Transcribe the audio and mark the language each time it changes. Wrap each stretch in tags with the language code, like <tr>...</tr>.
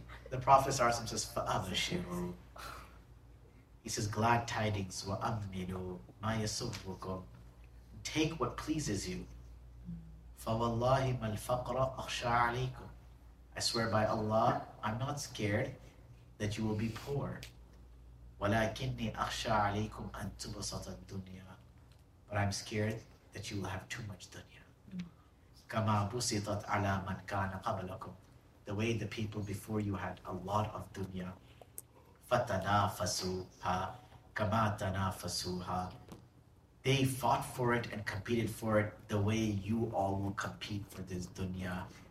<en>The Prophet Sarsam says, Fa'abashiru. He says, glad tidings,</en> <ar>wa amminu, ma yasubhukum.</ar> <en>Take what pleases you.</en> <ar>فَوَاللَّهِ مَا الْفَقْرَ أَخْشَى عَلَيْكُمْ.</ar> <en>I swear by Allah, I'm not scared that you will be poor.</en> <ar>وَلَكِنِّي أَخْشَى عَلَيْكُمْ أَن تُبَسَطَ الدُّنْيَا.</ar> <en>But I'm scared that you will have too much dunya.</en> <ar>كَمَا بُسِطَتْ عَلَى مَنْ كَانَ قَبْلَكُمْ.</ar> <en>The way the people before you had a lot of dunya.</en> <ar>فَتَنَافَسُوهَا كَمَا تَنَافَسُوهَا.</ar> <en>They fought for it and competed for it the way you all will compete for this dunya.</en>